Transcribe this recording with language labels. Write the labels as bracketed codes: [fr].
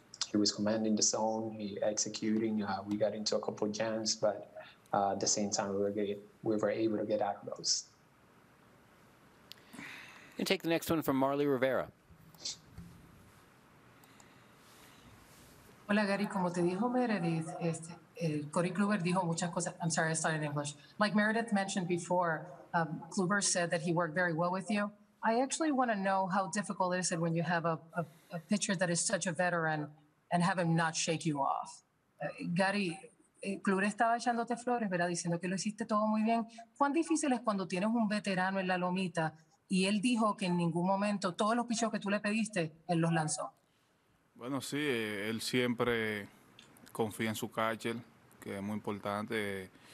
[en] He was commanding the zone, he executing. We got into a couple of jams, but at the same time, we were able to get out of those. And take the next one from Marley Rivera. [es] Hola, Gary. Como te dijo Meredith, Corey Kluber dijo muchas cosas. [en] I'm sorry, I started in English. Like Meredith mentioned before, Kluber said that he worked very well with you. I actually want to know how difficult it is when you have a pitcher that is such a veteran and have him not shake you off. [es] Gary, Kluber estaba echándote flores, ¿verdad? Diciendo que lo hiciste todo muy bien. ¿Cuán difícil es cuando tienes un veterano en la lomita y él dijo que en ningún momento todos los picheos que tú le pediste, él los lanzó? Bueno, sí, él siempre confía en su catcher, que es muy importante.